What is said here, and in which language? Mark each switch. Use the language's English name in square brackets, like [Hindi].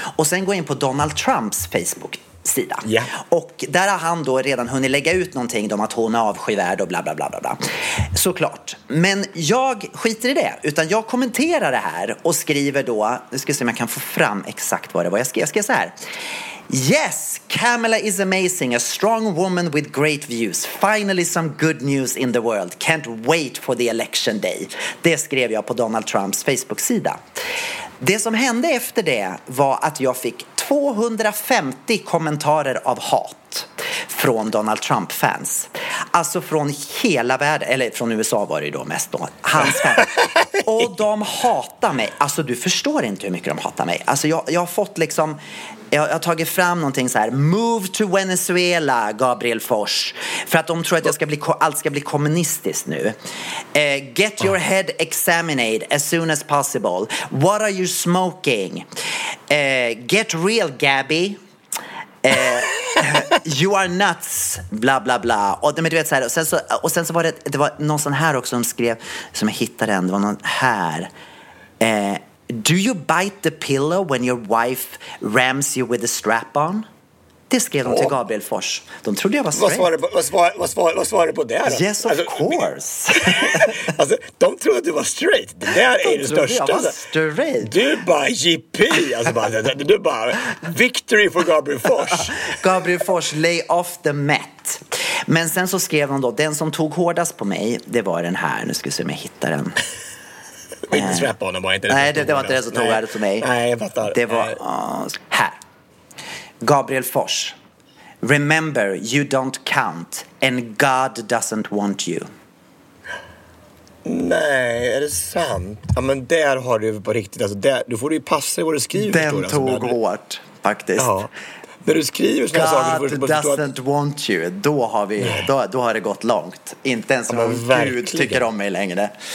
[Swedish] Och sen går jag in på Donald Trumps Facebook. Sida. [English] Yeah. [Swedish] Och där har han då redan hunnit lägga ut någonting om att hon är avskyvärd och bla bla bla bla bla. Såklart. Men jag skiter i det, utan jag kommenterar det här och skriver då, nu ska jag se om jag kan få fram exakt vad det var. Jag ska så här. [English] Yes, Kamala is amazing, a strong woman with great views. Finally some good news in the world. Can't wait for the election day. [Swedish] Det skrev jag på Donald Trumps Facebook-sida. Det som hände efter det var att jag fick 250 kommentarer av hat från Donald Trump-fans. Alltså från hela världen, eller från USA var det ju då mest då, hans fans. Och de hatar mig. Alltså du förstår inte hur mycket de hatar mig. Alltså jag har fått liksom, jag har tagit fram någonting så här: [English] move to Venezuela, [Swedish] Gabriel Fors. För att de tror att allt ska bli kommunistiskt nu. [English] Get your head examined as soon as possible. What are you smoking? Get real, Gabby. You are nuts, bla bla bla. [Swedish] Och men du vet så här, och sen så var det var någon sån här också som skrev, som jag hittade den, det var någon här. [English] Do you bite the pillow when your wife rams you with a strap on? [Swedish] Det skrev de till Gabriel Fors. De trodde jag var straight. Vad svarade på det då? [English] Yes, of course. [Swedish] Alltså, de trodde att du var straight. Det där de är det största. Jag var straight. Du bara JP. Alltså, du bara [English] victory for [Swedish] Gabriel Fors. Gabriel Fors, [English] lay off the mat. [Swedish] Men sen så skrev de då, den som tog hårdast på mig, det var den här. Nu ska vi se om jag hittar den. Inte strap on, inte nej, det var inte det som tog hårdast på mig. Nej, jag fattar. Det var här. [English] Gabriel Fors, remember you don't count and God doesn't want you. [Swedish] Nej, är det sant? Ja, men där har du på riktigt. Alltså, där, du får ju passa i vad du skriver. Den tog hårt, faktiskt. Ja. När du skriver sådana saker. [English] God doesn't want you. [Swedish] Då har det gått långt. Inte ens om Gud tycker om mig längre.